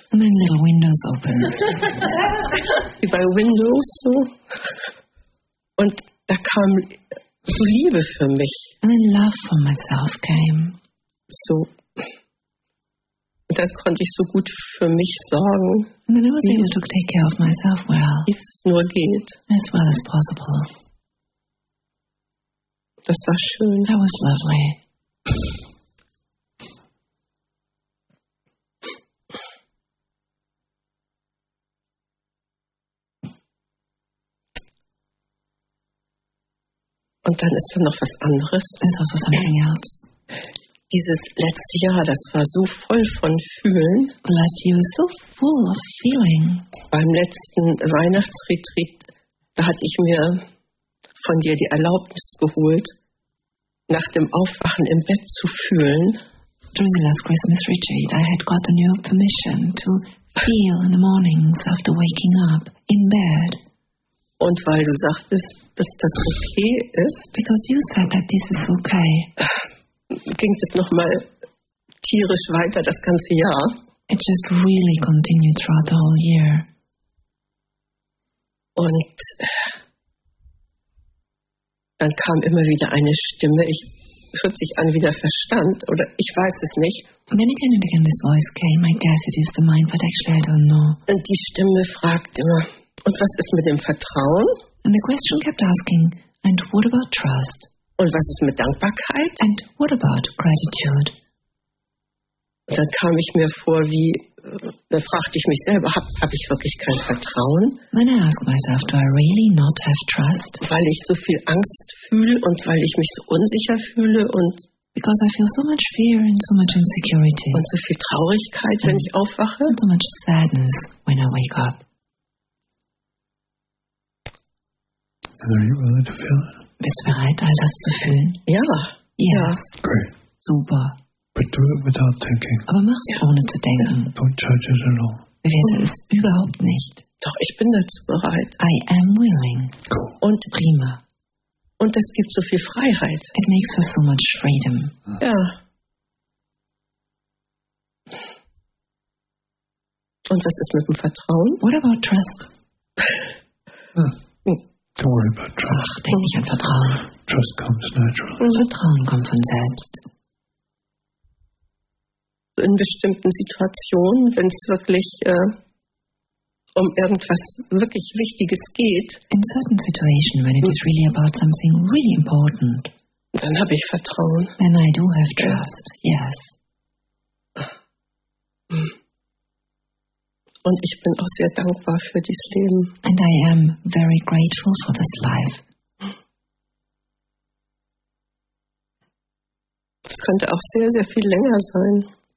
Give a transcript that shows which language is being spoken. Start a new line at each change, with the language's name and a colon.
English: And then little windows opened.
German: Wie bei Windows so. Und da kam so Liebe für mich.
English: And then love for myself came.
German: So. Und dann konnte ich so gut für mich sorgen.
English: And then I was able to take care of myself well.
German: Wie es nur geht.
English: As well as possible.
German: Das war schön.
English: That was lovely.
German: Und dann ist da noch was anderes.
English: There's also something else.
German: Dieses letzte Jahr, das war so voll von Fühlen.
English: The last year was so full of feeling.
German: Beim letzten Weihnachtsretreat, da hatte ich mir von dir die Erlaubnis geholt, nach dem Aufwachen im Bett zu fühlen.
English: During the last Christmas retreat, I had gotten your permission to feel in the mornings after waking up in bed.
German: Und weil du sagtest, dass das okay ist,
English: because you said that this is okay,
German: ging es noch mal tierisch weiter das ganze Jahr.
English: It just really continued throughout the whole year.
German: Und dann kam immer wieder eine Stimme. Ich hört sich an wie der Verstand, oder ich weiß es nicht.
English: And then again and again this voice came. I guess it is the mind, but actually I don't know.
German: Und die Stimme fragt immer. Und was ist mit dem Vertrauen?
English: And the question kept asking, and what about trust?
German: Und was ist mit Dankbarkeit?
English: And what about gratitude?
German: Und dann kam ich mir vor, wie, da fragte ich mich selber, hab ich wirklich kein Vertrauen?
English: Then I asked myself, do I really not have trust?
German: Weil ich so viel Angst fühle und weil ich mich so unsicher fühle und
English: because I feel so much fear and so much insecurity.
German: Und so viel Traurigkeit, wenn ich aufwache.
English: And so much sadness when I wake up. Are you willing to feel it?
German: Bist du bereit, all das zu fühlen? Ja.
English: Yes.
German: Ja.
English: Great.
German: Super.
English: But do it without thinking.
German: Aber mach es ohne zu denken.
English: Don't judge it at all.
German: Bewerte es überhaupt nicht. Doch, ich bin dazu bereit.
English: I am willing. Cool.
German: Und prima. Und es gibt so viel Freiheit.
English: It makes for so much freedom.
German: Ja. Und was ist mit dem Vertrauen?
English: What about trust? Don't worry about trust.
German: Ach, denk nicht an Vertrauen.
English: Trust comes naturally.
German: Und Vertrauen kommt von selbst. In bestimmten Situationen, wenn es wirklich um irgendwas wirklich Wichtiges geht.
English: In certain situations, when it is really about something really important.
German: Dann habe ich Vertrauen.
English: Then I do have trust, yes.
German: Und ich bin auch sehr dankbar für dieses Leben.
English: And I am very grateful for this life.
German: Es könnte auch sehr, sehr viel länger sein.